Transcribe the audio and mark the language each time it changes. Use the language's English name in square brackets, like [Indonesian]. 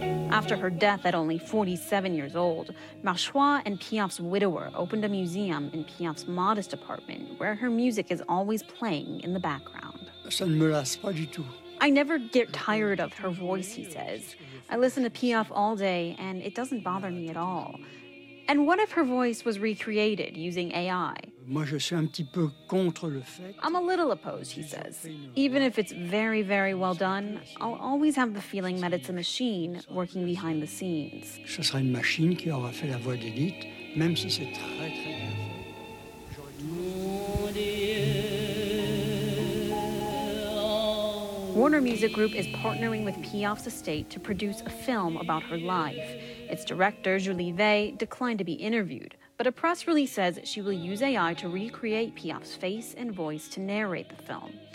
[English] After her death at only 47 years old, Marchois and Piaf's widower opened a museum in Piaf's modest apartment where her music is always playing in the background. [French] Ça ne me lasse pas du tout. [English] I never get tired of her voice, he says. I listen to Piaf all day and it doesn't bother me at all. And what if her voice was recreated using AI? [French] Moi, je suis un petit peu contre le fait. [English] I'm a little opposed, he says. Even if it's very, very well done, I'll always have the feeling that it's a machine working behind the scenes. [French] Ce sera une machine qui aura fait la voix d'Edith, même si c'est très, très bien fait. [English] Warner Music Group is partnering with Piaf's estate to produce a film about her life. Its director, Julie Vey, declined to be interviewed, but a press release says she will use AI to recreate Piaf's face and voice to narrate the film.